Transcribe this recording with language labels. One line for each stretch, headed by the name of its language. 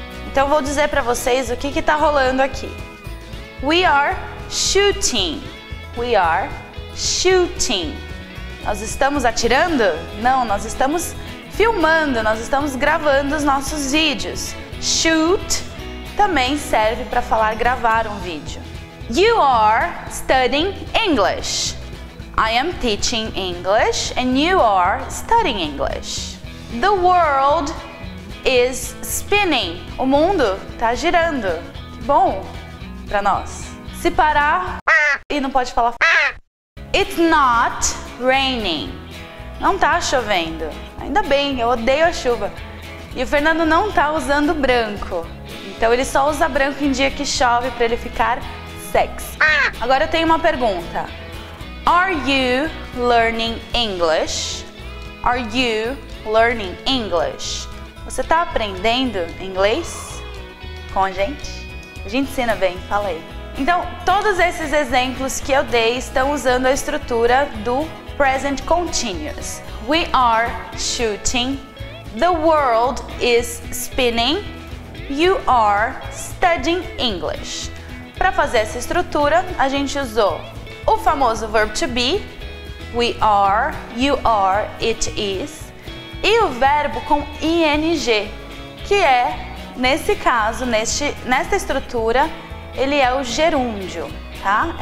Portuguese: Então vou dizer pra vocês o que tá rolando aqui.
English: We are shooting. We are shooting.
Portuguese: Nós estamos atirando? Não, nós estamos filmando, nós estamos gravando os nossos vídeos. Shoot também serve para falar gravar um vídeo.
English: You are studying English. I am teaching English and you are studying English. The world is spinning.
Portuguese: O mundo está girando. Que bom para nós. Se parar e não pode falar.
English: It's not raining.
Portuguese: Não tá chovendo. Ainda bem, eu odeio a chuva. E o Fernando não tá usando branco. Então ele só usa branco em dia que chove pra ele ficar sexy. Agora eu tenho uma pergunta.
English: Are you learning English? Are you learning English?
Portuguese: Você tá aprendendo inglês com a gente? A gente ensina bem, fala aí. Então, todos esses exemplos que eu dei estão usando a estrutura do present continuous.
English: We are shooting. The world is spinning. You are studying English.
Portuguese: Para fazer essa estrutura, a gente usou o famoso verb to be.
English: We are, you are, it is.
Portuguese: E o verbo com ing, que é, nesse caso, nesta estrutura, ele é o gerúndio, tá?